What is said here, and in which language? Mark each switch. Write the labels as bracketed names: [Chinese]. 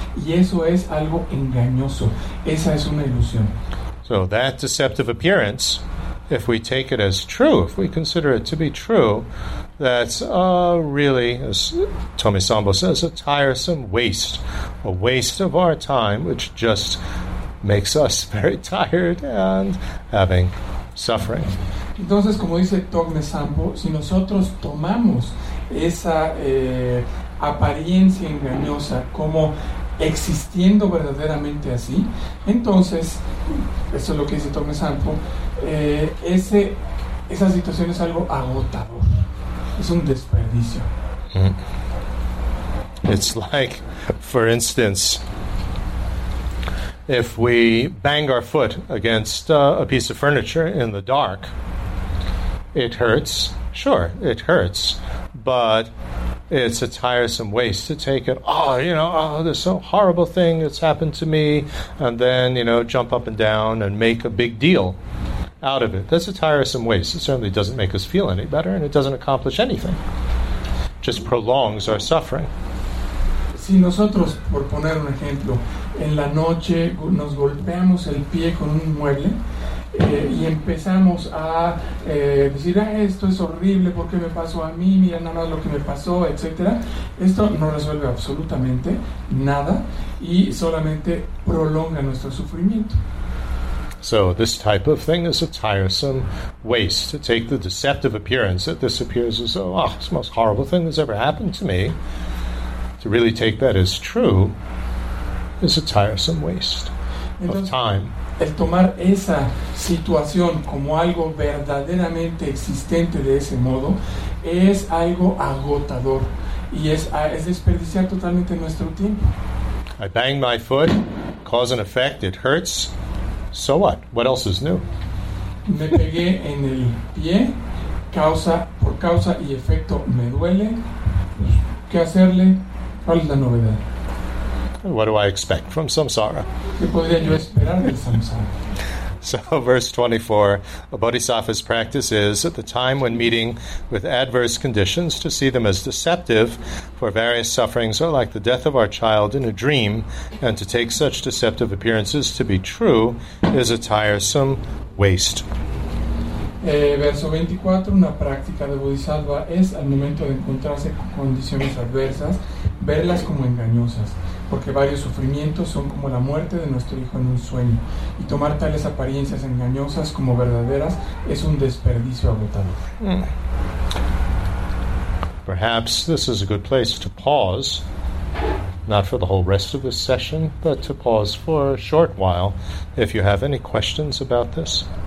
[Spanish] Y eso es algo engañoso. Esa es una ilusión. [English] So that deceptive appearance, if we take it as true, if we consider it to be true, that's really, as Tomi Sambo says, a tiresome waste. A waste of our time, which just makes us very tired and having suffering. [Spanish] Entonces, como dice Togne Sampo, si nosotros tomamos esa apariencia engañosa como existiendo verdaderamente así, entonces, eso es lo que dice Togne Sampo, esa situación es algo agotador. Es un desperdicio. [English] It's like, for instance, if we bang our foot against a piece of furniture in the dark, it hurts. Sure, it hurts. But it's a tiresome waste to take it, this so horrible thing that's happened to me, and then, you know, jump up and down and make a big deal out of it. That's a tiresome waste. It certainly doesn't make us feel any better, and it doesn't accomplish anything. It just prolongs our suffering. [Spanish] Si nosotros, por poner un ejemplo, en la noche nos golpeamos el pie con un mueble y empezamos a decir, esto es horrible, ¿por qué me pasó a mí? Mira nada más lo que me pasó, etc. Esto no resuelve absolutamente nada y solamente prolonga nuestro sufrimiento. [English] So this type of thing is a tiresome waste, to take the deceptive appearance that this appears as, it's the most horrible thing that's ever happened to me. To really take that as true is a tiresome waste. [Spanish] Entonces, [English] of time. [Spanish] El tomar esa situación como algo verdaderamente existente de ese modo es algo agotador y es desperdiciar totalmente nuestro tiempo. [English] I bang my foot, cause and effect, it hurts. So what? What else is new? [Spanish] Me pegué en el pie, causa por causa y efecto me duele. ¿Qué hacerle? ¿Cuál es la novedad? [English] What do I expect from samsara? [Spanish] ¿Qué podría yo esperar del samsara? [English] So, verse 24, a bodhisattva's practice is, at the time when meeting with adverse conditions, to see them as deceptive, for various sufferings are like the death of our child in a dream, and to take such deceptive appearances to be true is a tiresome waste. [Spanish] Verso 24, una práctica de bodhisattva es, al momento de encontrarse con condiciones adversas, verlas como engañosas. Porque varios sufrimientos son como la muerte de nuestro hijo en un sueño, y tomar tales apariencias engañosas como verdaderas es un desperdicio agotador. [English] Perhaps this is a good place to pause, not for the whole rest of this session, but to pause for a short while if you have any questions about this.